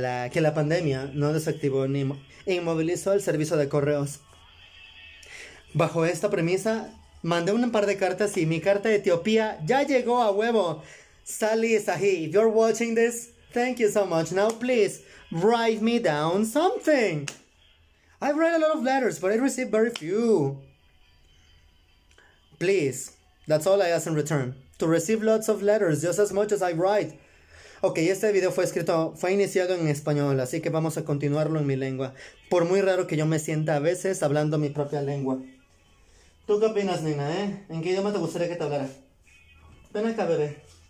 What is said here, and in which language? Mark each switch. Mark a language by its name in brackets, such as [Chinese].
[Spanish] Que la pandemia no desactivó ni inmovilizó el servicio de correos. Bajo esta premisa... Mandé un par de cartas y mi carta de Etiopía ya llegó a huevo. [English] Sally is a he. If you're watching this, thank you so much. Now please write me down something. I've read a lot of letters, but I received very few. Please. That's all I ask in return. To receive lots of letters, just as much as I write. [Spanish] Ok, este video fue escrito, fue iniciado en español, así que vamos a continuarlo en mi lengua. Por muy raro que yo me sienta a veces hablando mi propia lengua. ¿Tú qué opinas, nena, eh? ¿En qué idioma te gustaría que te hablara? Ven acá, bebé.